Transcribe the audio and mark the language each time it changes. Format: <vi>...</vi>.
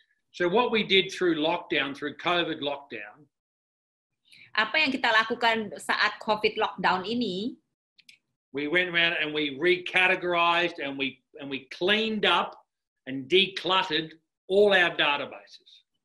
<en>So what we did through lockdown, through COVID lockdown.</en> <id>Apa yang kita lakukan saat COVID lockdown ini?</id> <en>We went around and we recategorized and we cleaned up and decluttered all our databases.</en>